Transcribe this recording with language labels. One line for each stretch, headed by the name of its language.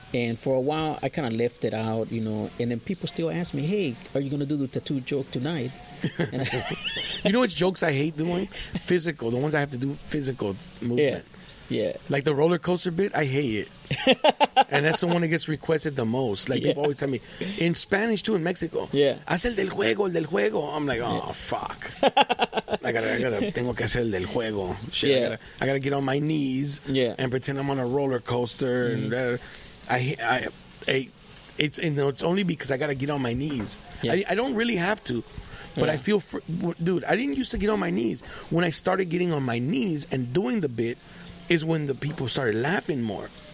English: And for a while, I kind of left it out, you know. And then people still ask me, "Hey, are you going to do the tattoo joke tonight?" You know which jokes I hate doing? Physical. The ones I have to do physical movement. Yeah. Yeah. Like the roller coaster bit, I hate it. And that's the one that gets requested the most. Like people always tell me, in Spanish too, in Mexico. Yeah.
Spanish: Haz el del juego.
English: I'm like, oh, fuck. I gotta,
Spanish: tengo que hacer el del juego.
English: Shit, yeah. I gotta get on my knees and pretend I'm on a roller coaster. Mm-hmm. And it's only because I gotta get on my knees. Yeah. I don't really have to. But I feel, dude, I didn't used to get on my knees. When I started getting on my knees and doing the bit, is when the people started laughing more.